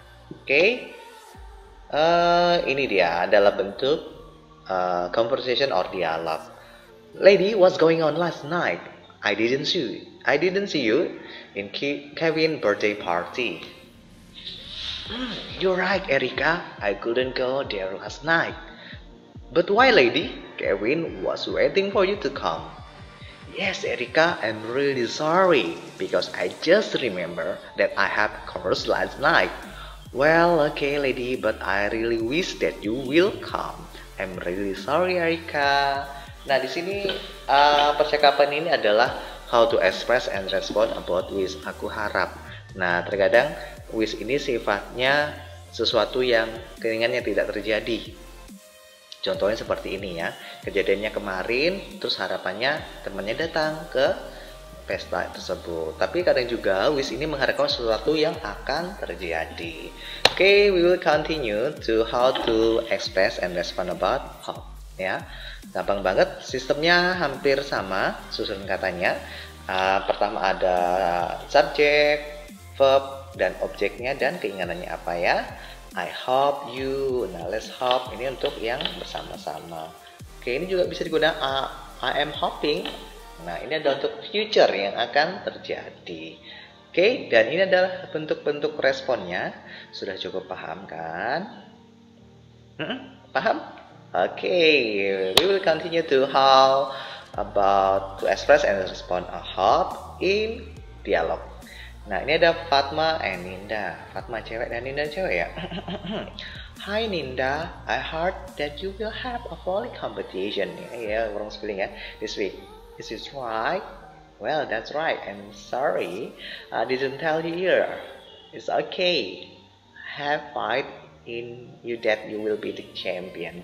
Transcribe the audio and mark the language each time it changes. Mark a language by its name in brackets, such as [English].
[Indonesian] Oke, ini dia adalah bentuk [English] conversation or dialogue. Lady, what's going on last night? I didn't see you in Kevin's birthday party. You're right, Erica. I couldn't go there last night. But why, lady? Kevin was waiting for you to come. Yes, Erica, I'm really sorry because I just remember that I had course last night. Well, okay, lady, but I really wish that you will come I'm really sorry, Erika. [Indonesian] Nah, di sini percakapan ini adalah [English] how to express and respond about wish. [Indonesian] Aku harap. Nah, terkadang wish ini sifatnya sesuatu yang keinginannya tidak terjadi. Contohnya seperti ini ya, kejadiannya kemarin, terus harapannya temannya datang ke pesta tersebut. Tapi kadang juga wish ini mengharapkan sesuatu yang akan terjadi. [English] Okay, we will continue to how to express and respond about hope. [Indonesian] Ya, gampang banget, sistemnya hampir sama susun katanya. Pertama ada subjek, verb, dan objeknya, dan keinginannya apa ya. [English] I hope you, [Indonesian] nah [English] let's hope, [Indonesian] ini untuk yang bersama-sama. Oke, ini juga bisa digunakan [English] I am hoping. [Indonesian] Nah, ini adalah untuk future yang akan terjadi. Oke, dan ini adalah bentuk-bentuk responnya. Sudah cukup paham kan? Paham? [English] Oke, we will continue to how about to express and respond a hope in dialogue. [Indonesian] Nah, ini ada Fatma and Ninda. Fatma cewek dan Ninda cewek ya. [English] Hi Ninda, I heard that you will have a volley competition. Yeah, wrong spelling ya. This week. Is this right? Well, that's right. I'm sorry. I didn't tell you here. It's okay. Have faith in you that you will be the champion.